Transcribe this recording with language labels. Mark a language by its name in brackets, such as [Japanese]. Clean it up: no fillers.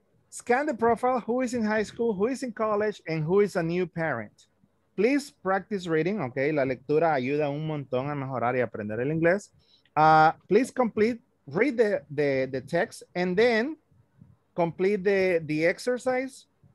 [English] Scan the profile, who is in high school, who is in college, and who is a new parent. Please practice reading, okay? [Spanish] La lectura ayuda un montón a mejorar y aprender el inglés. [English] Please complete. Read the text and then complete the exercise.